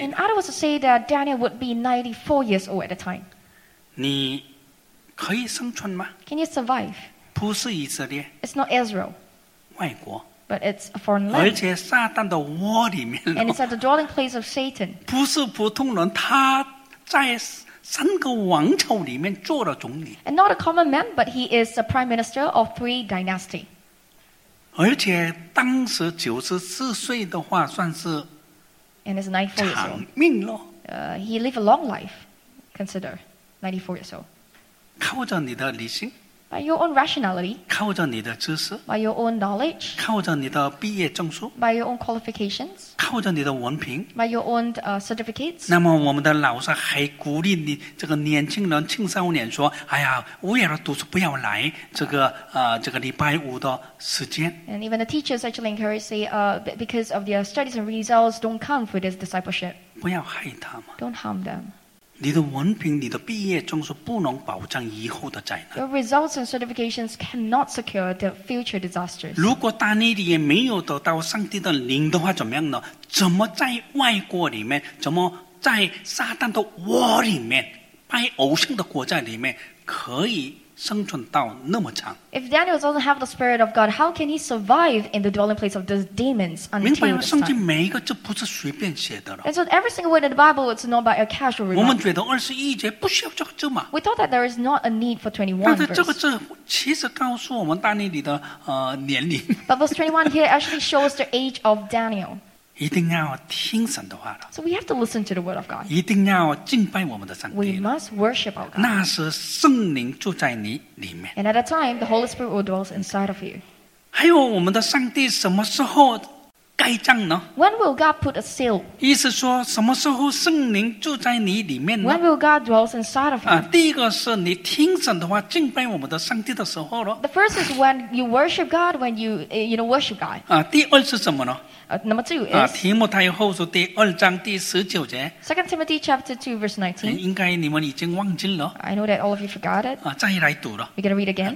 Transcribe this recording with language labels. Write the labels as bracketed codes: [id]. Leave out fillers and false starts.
[en] In other words, to say that Daniel would be 94 years old at the time. [zh] 你可以生存吗？ [en] Can you survive? [zh] 不是以色列。 [en] It's not Israel. [zh] 外国。 [en] But it's a foreign land. [zh] 而且撒旦的窝里面, [en] and it's at the dwelling place of Satan. [zh] 不是普通人, 他在三个王朝里面做了总理。 [en] And not a common man, but he is the prime minister of three dynasties. [zh] 而且当时94岁的话, 算是, [en] and it's 94 years old. [zh] 长命咯。 [en] He lived a long life, consider 94 years old. [zh] 靠着你的理性。 [en] By your own rationality, [zh] 靠着你的知识, [en] by your own knowledge, [zh] 靠着你的毕业证书, [en] by your own qualifications, [zh] 靠着你的文凭, [en] by your own certificates. [zh] 那么我们的老师还鼓励你这个年轻人青少年说, 哎呀，为了读书不要来这个礼拜五的时间。 [en] And even the teachers actually encourage, say, because of their studies and results, don't come for this discipleship. [zh] 不要害他们。 [en] Don't harm them. [zh] 你的文凭、你的毕业证书不能保障以后的灾难。 [en] Your results and certifications cannot secure the future disasters. [zh] 如果大尼利也没有得到上帝的灵的话，怎么样呢？怎么在外国里面，怎么在撒旦的窝里面，拜偶像的国家里面，可以生存到那么长？ [en] If Daniel doesn't have the spirit of God, how can he survive in the dwelling place of those demons until this time? [zh] 明白吗？圣经每一个字不是随便写的了。 [en] And so every single word in the Bible is not by a casual remark. [zh] 我们觉得21节不需要这个字嘛。 [en] We thought that there is not a need for 21 verse. [zh] 但是这个字其实告诉我们大尼利的年龄。 [en] But verse 21 here actually shows the age of Daniel. [zh] 一定要听神的话了。 [en] So we have to listen to the word of God. [zh] 一定要敬拜我们的上帝。 [en] We must worship our God. [zh] 那时圣灵住在你里面。 [en] And at that time, the Holy Spirit will dwell inside of you. [zh] 还有我们的上帝什么时候盖章呢？ [en] When will God put a seal? [zh] 意思说什么时候圣灵住在你里面呢？ [en] When will God dwell inside of you? [zh] 第一个是你听神的话敬拜我们的上帝的时候咯。 [en] The first is when you worship God, when you, you know, worship God. [zh] 第二是什么呢？ [en] Number two is [zh] 提摩太后书第2章第19节。 [en] Second Timothy chapter 2 verse 19. [zh] 应该你们已经忘记了。 [en] I know that all of you forgot it. [zh] 再来读了。 [en] You're going to read again.